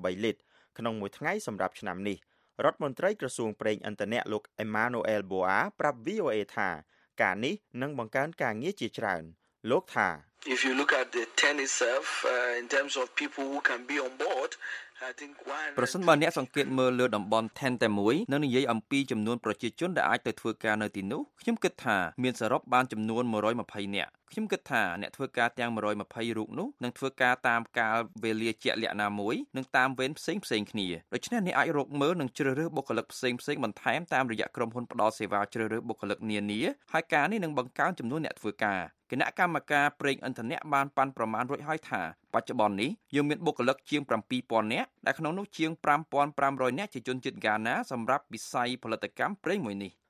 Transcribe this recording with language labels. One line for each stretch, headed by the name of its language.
Khmer: ត្រក្នុងមួយថ្ងៃសម្រាប់ឆ្នាំនេះរដ្ឋមន្ត្រីក្រសួងប្រេងឥន្ធនៈលោក Emmanuel Boa ប្រាប់ VOA ថាការនេះនឹងបង្កើនការងារជាច្រើនលោកថា
English: If you look at the 10 itself in terms of people who can be on board
Khmer: ប្រសិនបើអ្នកសង្កេតមើលលើតំបន់10តែមួយនៅនិយាយអំពីចំនួនប្រជាជនដែលអាចទៅធ្វើការនៅទីនោះខ្ញុំគិតថាមានសរុបបានចំនួន120អ្នកខ្ញុំគិតថាអ្នកធ្វើការទាំង 120រូបនោះនឹងធ្វើការតាមកាលវេលាជាក់លាក់ណាមួយនិងតាមវេនផ្សេងផ្សេងគ្នាដូច្នេះអ្នកអាចរកមើលនិងជ្រើសរើសបុគ្គលិកផ្សេងផ្សេងបន្ថែមតាមរយៈក្រុមហ៊ុនផ្ដល់សេវាជ្រើសរើសបុគ្គលិកនានាហើយការនេះនឹងបង្កើនចំនួនអ្នកធ្វើការគណៈកម្មការប្រេងឥន្ធនៈបានប៉ាន់ប្រមាណរួចហើយថាបច្ចុប្បន្ននេះយើងមានបុគ្គលិកជាង 7,000 នាក់ដែលក្នុងនោះជាង 5,500 នាក់ជាជនជាតិហ្គាណាសម្រាប់វិស័យផលិតកម្មប្រេងមួយនេះ